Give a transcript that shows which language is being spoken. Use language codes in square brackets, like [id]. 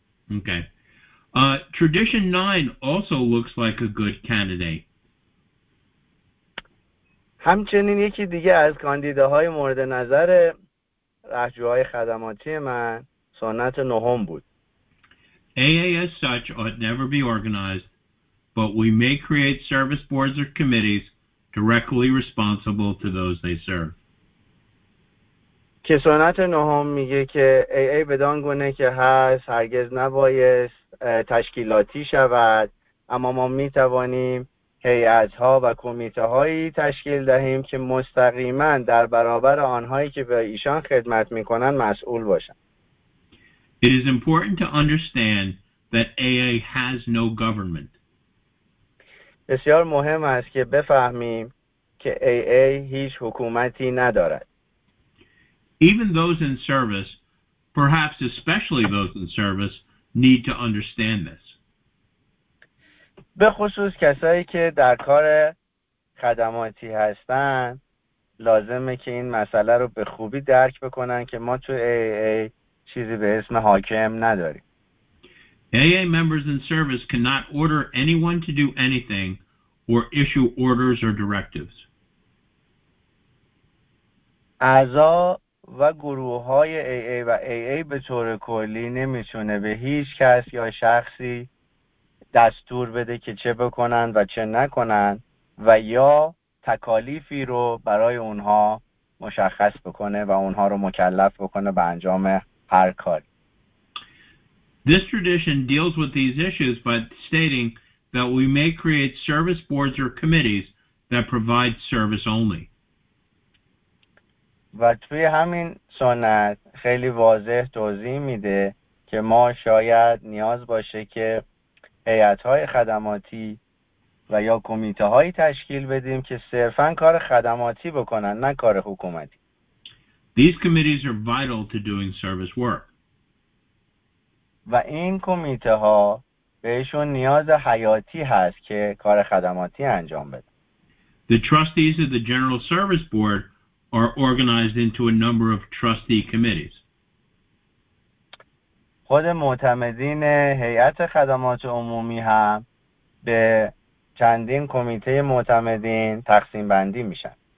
[en] Okay. Tradition 9 also looks like a good candidate. [fa] همچنین یکی دیگه از کاندیداهای مورد نظر رهجوهای خدماتی من سنت نهم بود. [en] AA as such ought never be organized, but we may create service boards or committees directly responsible to those they serve. [fa] که سنت نهم میگه که AA بدان گونه که هست هرگز نباید تشکیلاتی شود، اما ما میتوانیم هیئت‌ها و کمیته‌هایی تشکیل دهیم که مستقیماً در برابر آنهایی که به ایشان خدمت می‌کنند مسئول باشند. [en] It is important to understand that AA has no government. [fa] بسیار مهم است که بفهمیم که AA هیچ حکومتی ندارد. [en] Even those in service, perhaps especially those in service, need to understand this. [fa] به خصوص کسایی که در کار خدماتی هستن لازمه که این مسئله رو به خوبی درک بکنن که ما تو AA چیزی به اسم حاکم نداریم. [en] AA members in service cannot order anyone to do anything or issue orders or directives. [fa] اعضا و گروه های AA و AA به طور کلی نمیتونه به هیچ کس یا شخصی دستور بده که چه بکنن و چه نکنن و یا تکالیفی رو برای اونها مشخص بکنه و اونها رو مکلف بکنه به انجام هر کاری. [en] This tradition deals with these issues by stating that we may create service boards or committees that provide service only. [fa] و توی همین سنت خیلی واضح توضیح میده که ما شاید نیاز باشه که هیئت‌های خدماتی و یا کمیته‌هایی تشکیل بدیم که صرفاً کار خدماتی بکنن نه کار حکومتی. [en] These committees are vital to doing service work. [fa] و این کمیته‌ها بهشون نیاز حیاتی هست که کار خدماتی انجام بدن. [en] The trustees of the General Service Board are organized into a number of trustee committees. [fa] خود معتمدین هیئت خدمات عمومی هم به چندین کمیته معتمدین تقسیم بندی میشن.